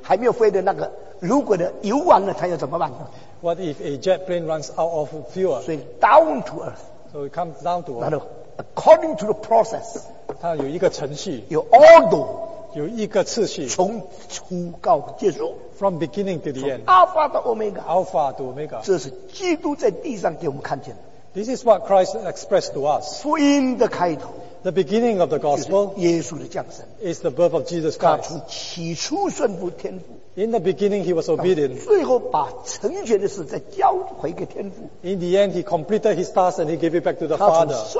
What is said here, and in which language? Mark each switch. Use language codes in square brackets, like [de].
[zh] 一个大的喷射机就是可以做800人的最新还没有飞的那个，如果的油完了，它要怎么办呢？ [en] What if a jet plane runs out of fuel? 所以 down to earth. So it comes down to earth. According to the process, [zh] 它有一个程序, 有 order, 有一个次序, 从初到结束, [en] from beginning to the end, Alpha to Omega, Alpha to Omega. [zh] 这是基督在地上给我们看见的。 [en] This is what Christ expressed to us. [zh] 福音的开头, [en] the beginning of the gospel, [zh] 就是耶稣的降生, [en] is the birth of Jesus Christ. [zh] 他从起初顺服天父。 [en] In the beginning, he was obedient. [zh] 最后把成全的事再交回给天父。 In the end, he completed his task and he gave it back to the Father.